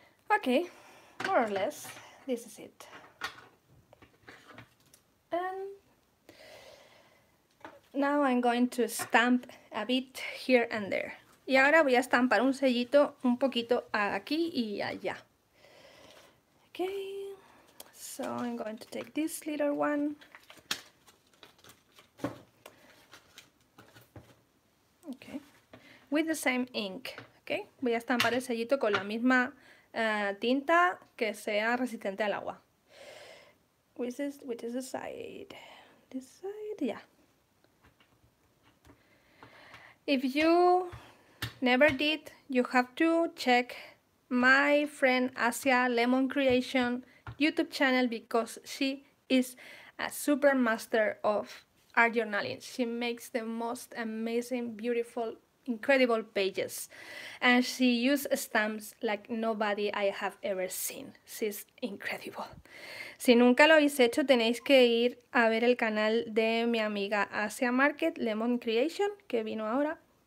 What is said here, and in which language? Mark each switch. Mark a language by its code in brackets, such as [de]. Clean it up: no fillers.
[en] Okay. More or less, this is it. Now I'm going to stamp a bit here and there. [es] Y ahora voy a estampar un sellito un poquito aquí y allá. [en] Okay, so I'm going to take this little one. Okay, with the same ink. [es] Okay, voy a estampar el sellito con la misma tinta que sea resistente al agua. [en] Which is the side? This side, yeah. If you never did, you have to check my friend Asia Lemon Creation YouTube channel because she is a super master of art journaling. She makes the most amazing, beautiful, incredible pages. And she uses stamps like nobody I have ever seen. She's incredible. [es] Si nunca lo habéis hecho, tenéis que ir a ver el canal de mi amiga Asia Market, Lemon Creation, que vino ahora.